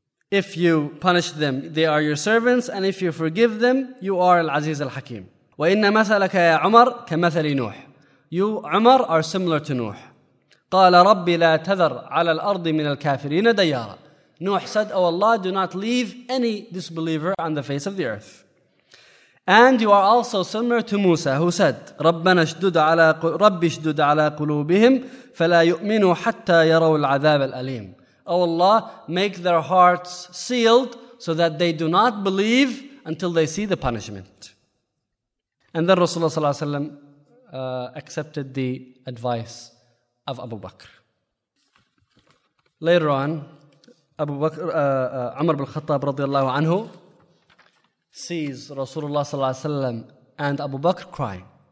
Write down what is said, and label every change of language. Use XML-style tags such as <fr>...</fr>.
<en>If you punish them, they are your servants, and if you forgive them, you are al-Aziz al-Hakim.</en> <ar>وَإِنَّ مَثَلَكَ يَا عُمَرْ كَمَثَلِ نُوحِ.</ar> <en>You, Umar, are similar to Nuh.</en> <ar>قَالَ رَبِّ لَا تَذَرْ عَلَى الْأَرْضِ مِنَ الْكَافِرِينَ دَيَّارًا.</ar> <en>Nuh said, O Allah, do not leave any disbeliever on the face of the earth. And you are also similar to Musa, who said,</en> <ar>رَبَّنَا اشْدُدَ عَلَىٰ رَبِّ اشْدُدَ عَلَىٰ قُلُوبِهِمْ فَلَا يُؤْمِنُوا حَتَّى يَرَوْا الْعَذَابَ الْأَلِيمِ.</ar> <en>Oh Allah, make their hearts sealed so that they do not believe until they see the punishment. And then Rasulullah sallallahu alayhi wa sallam accepted the advice of Abu Bakr. Later on, Abu Bakr, Umar bin Khattab radiallahu anhu, sees Rasulullah sallallahu alayhi wa sallam and Abu Bakr crying.</en>